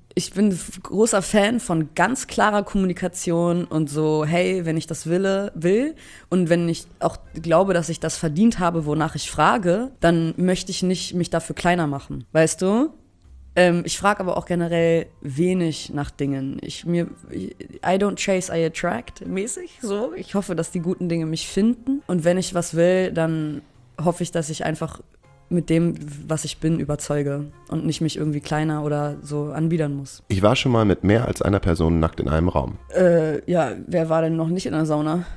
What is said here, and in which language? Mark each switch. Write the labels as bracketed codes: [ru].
[de] ich bin großer Fan von ganz klarer Kommunikation und so, hey, wenn ich das will und wenn ich auch glaube, dass ich das verdient habe, wonach ich frage, dann möchte ich nicht mich dafür kleiner machen, weißt du? Ich frage aber auch generell wenig nach Dingen. [en] I don't chase, I attract [de] mäßig so. Ich hoffe, dass die guten Dinge mich finden. Und wenn ich was will, dann hoffe ich, dass ich einfach mit dem, was ich bin, überzeuge und nicht mich irgendwie kleiner oder so anbiedern muss. Ich war schon mal mit mehr als einer Person nackt in einem Raum. Ja, wer war denn noch nicht in der Sauna?